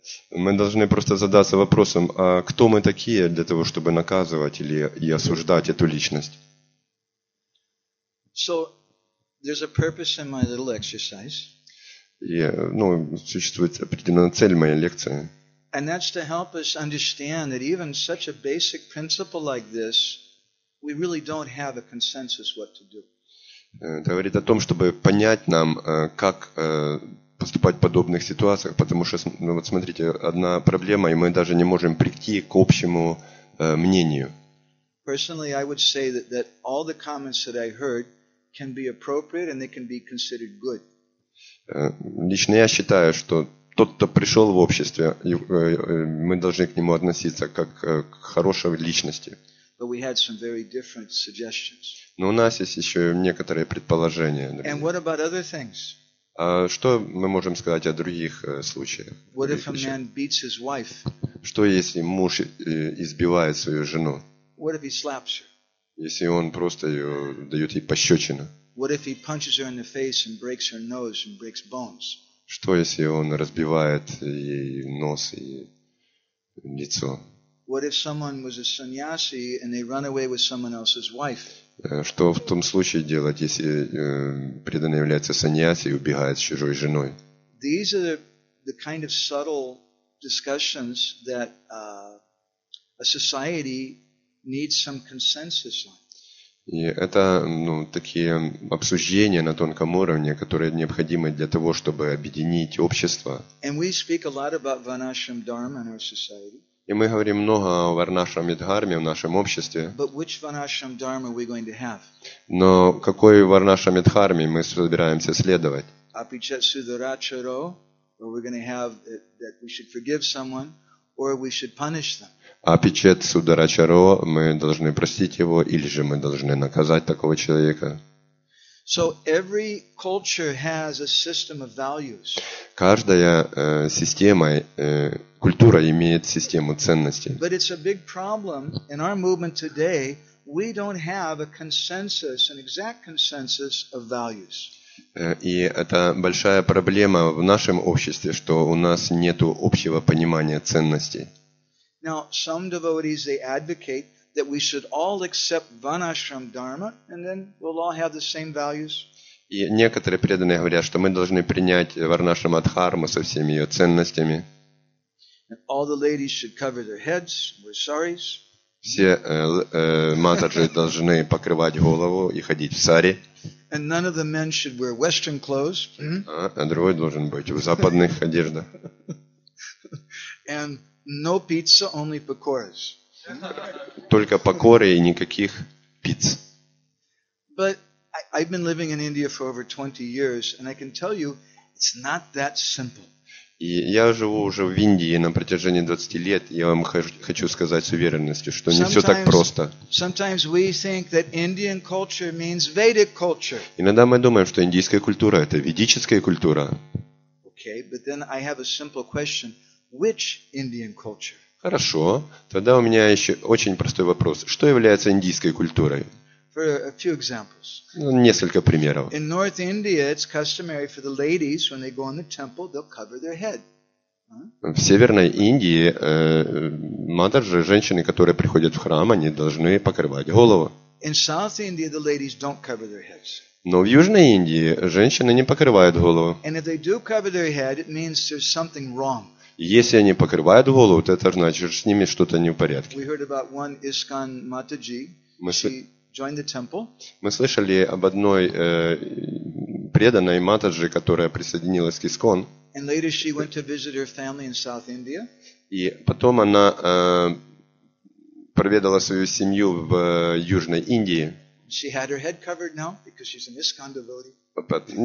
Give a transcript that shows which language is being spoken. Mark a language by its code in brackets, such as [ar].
[ru] Мы должны просто задаться вопросом, а кто мы такие для того, чтобы наказывать или и осуждать эту личность? [en] So, there's a purpose in my little exercise. [ru] Ну, существует определенная цель моей лекции. [en] And that's to help us understand that even such a basic principle like this, we really don't have a consensus what to do. [ru] Говорит о том, чтобы понять нам, как поступать в подобных ситуациях, потому что, ну, вот смотрите, одна проблема, и мы даже не можем прийти к общему мнению. [en] Personally, I would say that all the comments that I heard can be appropriate and they can be considered good. [ru] Лично я считаю, что тот, кто пришел в обществе, мы должны к нему относиться как к хорошей личности. [en] But we had some very different suggestions. [ru] Но у нас есть еще некоторые предположения. Например. [en] And what about other things? [ru] А что мы можем сказать о других случаях? [en] What if a man beats his wife? [ru] Что если муж избивает свою жену? [en] What if he slaps her? [ru] Если он просто ее, дает ей пощечину? [en] What if he punches her in the face and breaks her nose and breaks bones? [ru] Что если он разбивает ей нос и лицо? [en] What if someone was a sannyasi and they run away with someone else's wife? [ru] Что в том случае делать, если преданный является саньяси и убегает с чужой женой? [en] These are the kind of subtle discussions that a society needs some consensus on. [ru] И это, ну, такие обсуждения на тонком уровне, которые необходимы для того, чтобы объединить общество. [en] And we speak a lot about Varnashram Dharma in our society. [ru] И мы говорим много о Варнашраме Дхарме в нашем обществе. [en] But which Varnashram Dharma are we going to have? [ru] Но какой Варнашраме Дхарме мы собираемся следовать? [sa] Апичат Сударачаро, [en] or we're going to have that we should forgive someone, or we should punish them. [sa] Апичат Сударачаро, [ru] мы должны простить его, или же мы должны наказать такого человека. [en] So every culture has a system of values. [ru] Каждая система, культура имеет систему ценностей. [en] But it's a big problem in our movement today. We don't have a consensus, an exact consensus of values. [ru] И это большая проблема в нашем обществе, что у нас нету общего понимания ценностей. [en] Now some devotees they advocate that we should all accept Varnashram Dharma and then we'll all have the same values. [ru] И некоторые преданные говорят, что мы должны принять Варнашрам Дхарму со всеми ее ценностями. [en] And all the ladies should cover their heads with saris. [ru] Все матаджи должны покрывать голову и ходить в сари. [en] And none of the men should wear western clothes. [ru] А другой должен быть в западных одеждах. [en] And no pizza, only pakoras. [ru] Только покоры и никаких пиц. [en] But I've been living in India for over 20 years, and I can tell you, it's not that simple. [ru] И я живу уже в Индии на протяжении 20 лет, и я вам хочу сказать с уверенностью, что не все так просто. [en] Sometimes we think that Indian culture means Vedic culture. [ru] Иногда мы думаем, что индийская культура — это ведическая культура. [en] Okay, but then I have a simple question: which Indian culture? [ru] Хорошо. Тогда у меня еще очень простой вопрос. Что является индийской культурой? [en] For a few examples. [ru] Ну, несколько примеров. [en] In North India, it's customary for the ladies, when they go in the temple, they'll cover their head. [ru] В Северной Индии матаджи, женщины, которые приходят в храм, они должны покрывать голову. [en] In South India, the ladies don't cover their heads. [ru] Но в Южной Индии женщины не покрывают голову. [en] And if they do cover their head, it means there's something wrong. [ru] Если они покрывают голову, то это значит, что с ними что-то не в порядке. [en] We heard about one ISKCON Mataji. She joined the temple. [ru] Мы слышали об одной преданной Матаджи, которая присоединилась к ИСККОН. [en] And later she went to visit her family in South India. [ru] И потом она проведала свою семью в Южной Индии. [en] She had her head covered now because she's an ISKCON devotee.